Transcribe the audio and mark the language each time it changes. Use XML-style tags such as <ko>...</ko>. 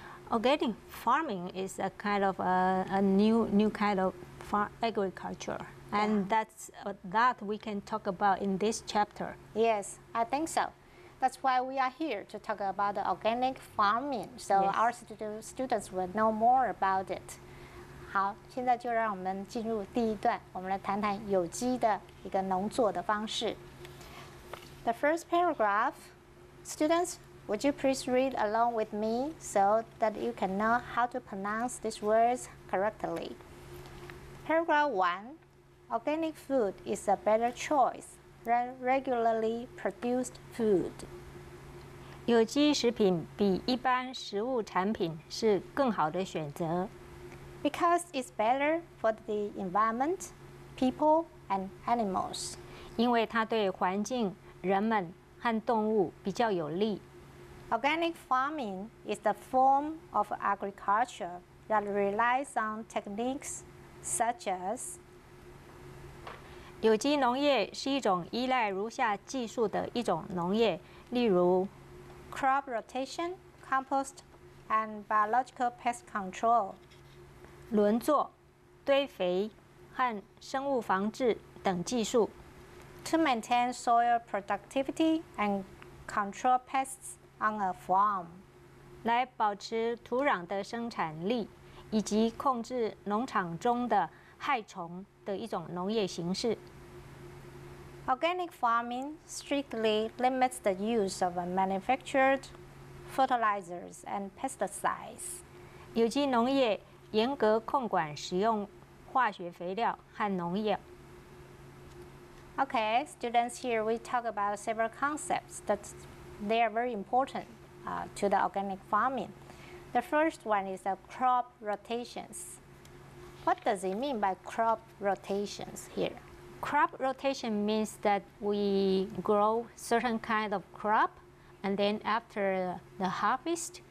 <en>Organic farming is a kind of a new kind of agriculture. Yeah. And that's that we can talk about in this chapter. Yes, I think so. That's why we are here to talk about the organic farming. So yes. Our students will know more about it.</en> <zh>好，现在就让我们进入第一段，我们来谈谈有机的一个农作的方式。</zh> <en>The first paragraph, students, would you please read along with me so that you can know how to pronounce these words correctly? Paragraph 1, organic food is a better choice than regularly produced food.</en> <zh>有机食品比一般食物产品是更好的选择。</zh> <en>Because it's better for the environment, people, and animals.</en> <zh>因为它对环境、人们和动物比较有利。</zh> <en>Organic farming is the form of agriculture that relies on techniques such as</en> <zh>有机农业是一种依赖如下技术的一种农业，例如</zh> <en>crop rotation, compost, and biological pest control.</en> <zh>轮作、堆肥和生物防治等技术</zh> <en>To maintain soil productivity and control pests on a farm</en> <zh>来保持土壤的生产力以及控制农场中的害虫的一种农业形式</zh> <en>Organic farming strictly limits the use of manufactured fertilizers and pesticides</en> <zh>有机农业严格控管使用化学肥料和农药。</zh> <en>Okay, students, here we talk about several concepts that they are very important to the organic farming. The first one is the crop rotations. What does it mean by crop rotations here? Crop rotation means that we grow certain kind of crop, and then after the harvest,</en>